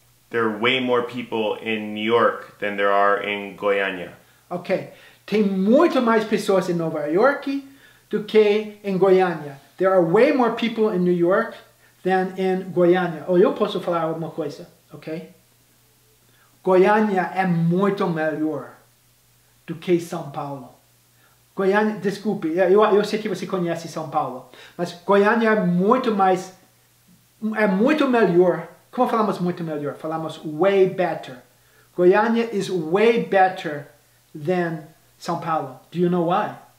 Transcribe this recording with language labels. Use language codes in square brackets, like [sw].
[en] There are way more people in New York than there are in Goiânia. Ok. [pt] Tem muito mais pessoas em Nova York do que em Goiânia. [en] There are way more people in New York than in Goiânia. [pt] Ou eu posso falar alguma coisa, ok? Goiânia é muito melhor do que São Paulo. Goiânia, desculpe, eu sei que você conhece São Paulo, mas Goiânia é muito melhor. Como falamos muito melhor? Falamos [en] way better. Goiânia is way better than São Paulo. Do you know why?